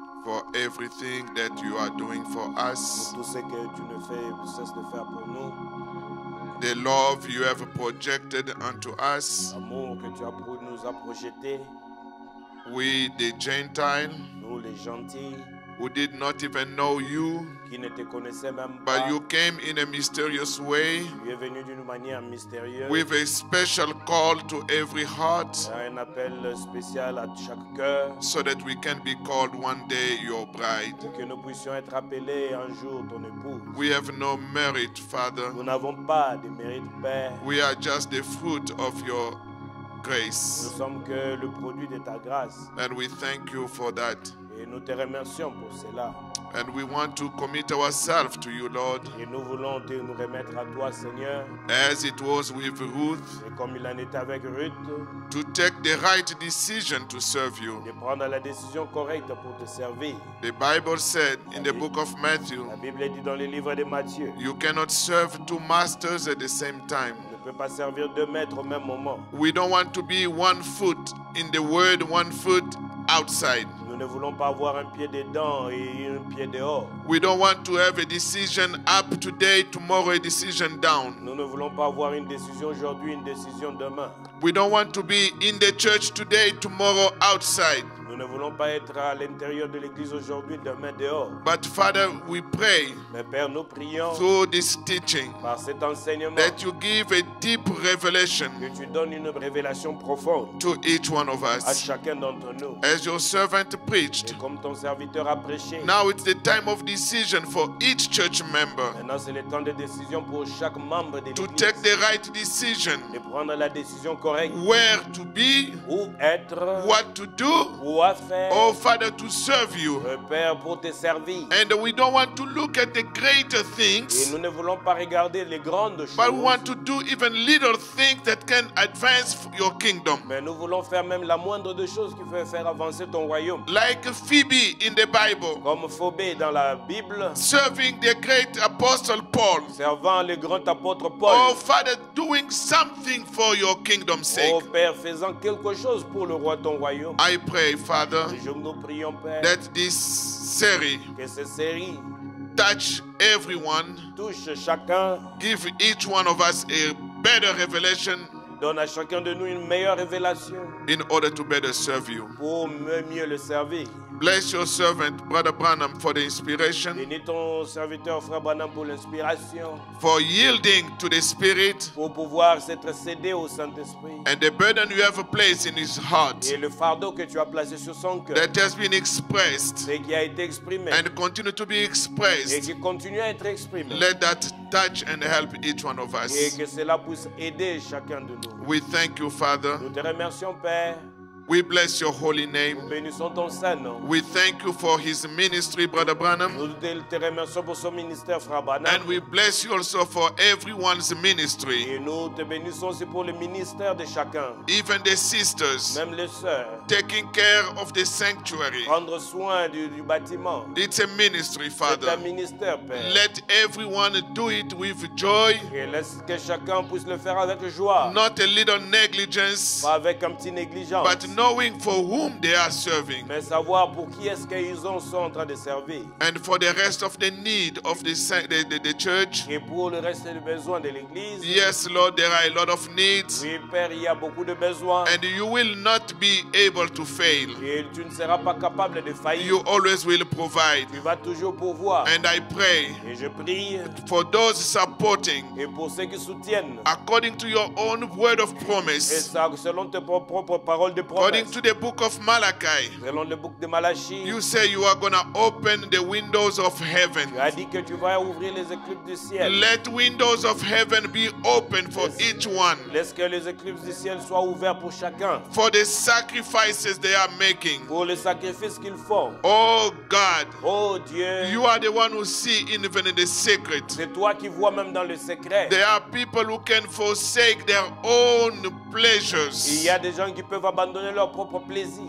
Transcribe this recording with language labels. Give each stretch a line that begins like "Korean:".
English: for everything that you are doing for us.
French: Pour tout ce que tu ne fais, cesse de faire pour nous.
English: The love you have projected unto us.
French: L'amour que tu as pour nous a projeté.
English: We the Gentile,
French: nous les gentils,
English: who did not even know you,
French: qui ne te connaissait même pas,
English: but you came in a mysterious way,
French: tu es venu d'une manière mystérieuse,
English: with a special call to every heart,
French: un appel spécial à chaque cœur,
English: so that we can be called one day your bride,
French: pour que nous puissions être appelés un jour ton épouse.
English: We have no merit, Father.
French: Nous n'avons pas de mérite, Père.
English: We are just the fruit of your grace.
French: Nous sommes que le produit de ta grâce.
English: And we thank you for that.
French: Et nous te remercions pour cela.
English: And we want to commit ourselves to you, Lord.
French: Et nous voulons te nous remettre à toi, Seigneur.
English: As it was with Ruth.
French: Et comme il en était avec Ruth.
English: To take the right decision to serve you.
French: De prendre la décision correcte pour te servir.
English: The Bible said in the book of Matthew.
French: La Bible dit dans le livre de Matthieu.
English: You cannot serve two masters at the same time.
French: On ne peut pas servir deux maîtres au même moment.
English: We don't want to be one foot in the world, one foot outside.
French: Nous ne voulons pas avoir un pied dedans et un pied dehors.
English: We don't want to have a decision up today, tomorrow a decision down.
French: Nous ne voulons pas avoir une décision aujourd'hui, une décision demain.
English: We don't want to be in the church today, tomorrow outside.
French: Nous ne voulons pas être à l'intérieur de l'église aujourd'hui, demain dehors.
English: But Father, we pray.
French: Mais Père, nous prions.
English: Through this teaching.
French: Par cet enseignement.
English: That you give a deep revelation.
French: Que tu donnes une révélation profonde.
English: To each one of us.
French: À chacun d'entre nous.
English: As your servant preached.
French: Et comme ton serviteur a prêché.
English: Now it's the time of decision for each church member.
French: Maintenant c'est le temps de décision pour chaque membre de l'église.
English: To take the right decision.
French: De prendre la décision correcte.
English: Where to be.
French: Où être.
English: What to do. Oh Father, to serve you.
French: Père, pour te servir.
English: And we don't want to look at the greater things.
French: Et nous ne voulons pas regarder les grandes choses.
English: But we want to do even little things that can advance your kingdom.
French: Mais nous voulons faire même la moindre des choses qui peut faire avancer ton royaume.
English: Like like Phoebe in the Bible.
French: Comme Phoebe dans la Bible.
English: Serving the great apostle Paul.
French: Servant le grand apôtre Paul.
English: Oh Father, doing something for your kingdom's sake.
French: Oh Père, faisant quelque chose pour le roi ton royaume.
English: I pray, Father.
French: Je nous prions, Père.
English: That this series.
French: Que cette série.
English: Touch everyone.
French: Touche chacun.
English: Give each one of us a better revelation.
French: Donne à chacun de nous une meilleure révélation.
English: In order to better serve you.
French: Pour mieux le servir.
English: Bless your servant, Brother Branham, for the inspiration.
French: Bénis ton serviteur, Frère Branham, pour l'inspiration.
English: For yielding to the Spirit.
French: Pour pouvoir s'être cédé au Saint-Esprit.
English: And the burden you have placed in his heart.
French: Et le fardeau que tu as placé sur son cœur.
English: That has been expressed.
French: Et qui a été exprimé.
English: And continue to be expressed.
French: Et qui continue à être exprimé.
English: Let that touch and help each one of us.
French: Et que cela puisse aider chacun de nous.
English: We thank you, Father.
French: Nous te remercions, Père.
English: We bless your holy name.
French: Nous bénissons ton saint nom.
English: We thank you for his ministry, Brother Branham.
French: Nous te remercions pour son ministère, Frère Branham.
English: And we bless you also for everyone's ministry.
French: Et nous te bénissons aussi pour le ministère de chacun.
English: Even the sisters.
French: Même les sœurs.
English: Taking care of the sanctuary.
French: Prendre soin du bâtiment.
English: It's a ministry, Father.
French: C'est un ministère, Père.
English: Let everyone do it with joy.
French: Et laisse que chacun puisse le faire avec joie.
English: Not a little negligence.
French: Pas avec un petit négligence.
English: But knowing for whom they are serving.
French: Mais savoir pour qui est-ce qu'ils sont en train de servir.
English: And for the rest of the need of the church.
French: Et pour le reste des besoins de l'église.
English: Yes, Lord, there are a lot of needs.
French: Oui, Père, il y a beaucoup de besoins.
English: And you will not be able to fail.
French: Et tu ne seras pas capable de faillir.
English: You always will provide.
French: Tu vas toujours pourvoir.
English: And I pray.
French: Et je prie.
English: For those supporting.
French: Et pour ceux qui soutiennent.
English: According to your own word of promise.
French: Et ça, selon tes propres paroles de
English: according to the book of Malachi,
French: selon le book de Malachi,
English: you say you are going to open the windows of heaven.
French: Tu as dit que tu vas ouvrir les éclipses du ciel.
English: Let windows of heaven be open for each one.
French: Laisse que les éclipses du ciel soient ouvertes pour chacun.
English: For the sacrifices they are making.
French: Pour les sacrifices qu'ils font.
English: Oh God.
French: Oh Dieu.
English: You are the one who see even in the secret.
French: C'est toi qui vois même dans le secret.
English: There are people who can forsake their own pleasures.
French: Il y a des gens qui peuvent abandonner donner leur propre plaisir.